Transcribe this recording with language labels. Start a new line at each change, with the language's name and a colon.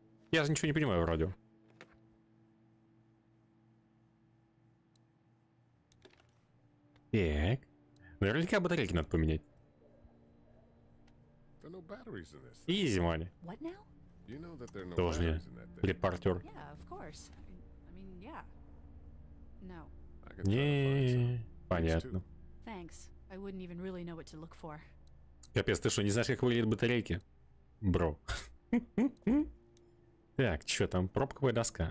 Russian: Я ничего не понимаю в радио. Так. Наверняка батарейки надо поменять.
English: No batteries in this. Easy money. What now? You know that there are no batteries in that thing.
Russian: Репортер.
English: Yeah, of course. I mean, yeah. No.
Russian: Не, понятно.
English: Thanks. I wouldn't even really know what to look for.
Russian: Капец, ты что, не знаешь, как выглядят батарейки? Бро. Так, что там, пробковая доска?